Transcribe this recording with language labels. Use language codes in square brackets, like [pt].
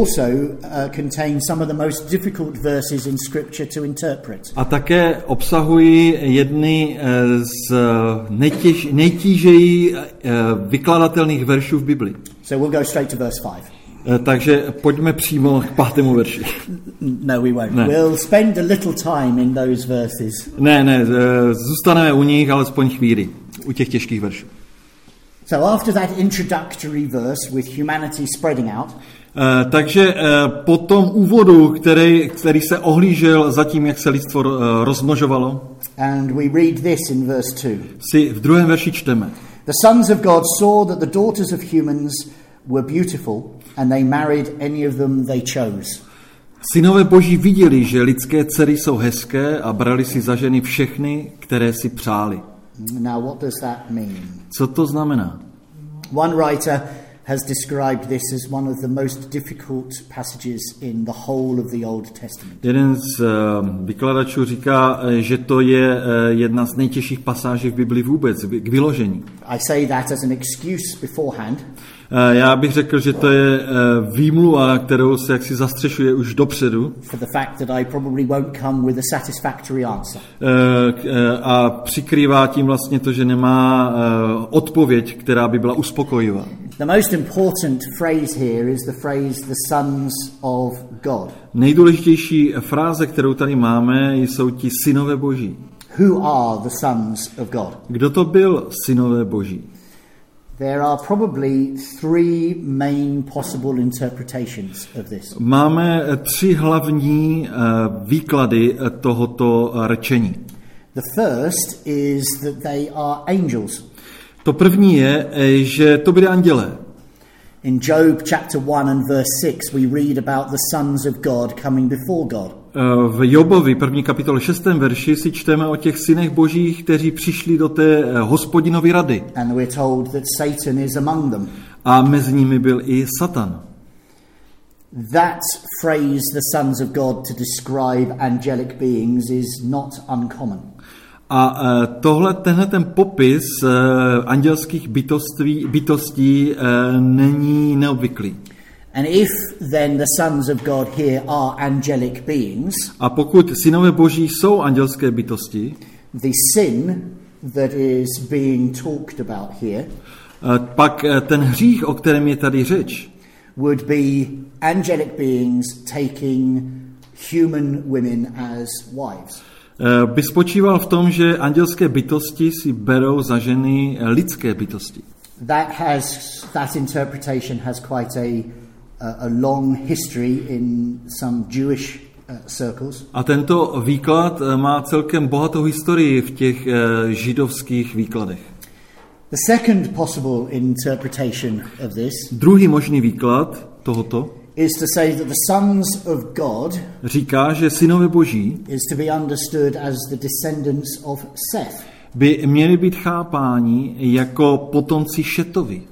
[en] They also contain some of the most difficult verses in scripture to interpret. [cs] A také obsahují jedny z nejtíže vykladatelných veršů v Biblii. [en] So we'll go straight to verse 5. [cs] Takže pojďme přímo k pátému verši. [en] No, we won't. Ne. We'll spend a little time in those verses. [cs] Ne, zůstaneme u nich alespoň chvíli, u těch těžkých veršů. [en] So after that introductory verse with humanity spreading out. [cs] Takže po tom úvodu, který se ohlížel za tím, jak se lidstvo rozmnožovalo. [en] And we read this in verse 2. [cs] Si v druhém verši čteme. [en] The sons of God saw that the daughters of humans were beautiful and they married any of them they chose. [cs] Synové Boží viděli, že lidské dcery jsou hezké a brali si za ženy všechny, které si přáli. [en] Now what does that mean? [cs] Co to znamená? [en] One writer has described this as one of the most difficult passages in the whole of the Old Testament. [cs] Jeden z vykladačů říká, že to je jedna z nejtěžších pasáží v Bibli vůbec k vyložení. [en] I say that as an excuse beforehand. [cs] Já bych řekl, že to je výmluva, kterou se jaksi zastřešuje už dopředu. [en] For the fact that I probably won't come with a satisfactory answer. [cs] A přikrývá tím vlastně to, že nemá odpověď, která by byla uspokojivá. [en] The most important phrase here is the phrase the sons of God. [cs] Nejdůležitější fráze, kterou tady máme, jsou ti synové Boží. [en] Who are the sons of God? [cs] Kdo to byl synové Boží? [en] There are probably three main possible interpretations of this. [cs] Máme tři hlavní výklady tohoto rčení. [en] The first is that they are angels. [cs] To první je, že to byli andělé. [en] In Job chapter 1 and verse 6 we read about the sons of God coming before God. [cs] V Jobovi první kapitole 6. verši si čteme o těch synech Božích, kteří přišli do té Hospodinovy rady. [en] And we're told that Satan is among them. [cs] A mezi nimi byl i Satan. [en] That phrase the sons of God to describe angelic beings is not uncommon. [cs] A tohle, tenhle ten popis andělských bytostí není neobvyklý. [en] And if then the sons of God here are angelic beings, [cs] a pokud synové Boží jsou andělské bytosti, [en] the sin that is being talked about here, [cs] pak ten hřích, o kterém je tady řeč, [en] would be angelic beings taking human women as wives. [cs] By spočíval v tom, že andělské bytosti si berou za ženy lidské bytosti. [en] That interpretation has quite a long history in some Jewish circles. [cs] A tento výklad má celkem bohatou historii v těch židovských výkladech. [en] The second possible interpretation of this. [cs] Druhý možný výklad tohoto [en] is to say that the sons of God, [cs] říká, že synové Boží, [en] is to be understood as the descendants of Seth, [cs] by měli být chápáni jako potomci Šetovi.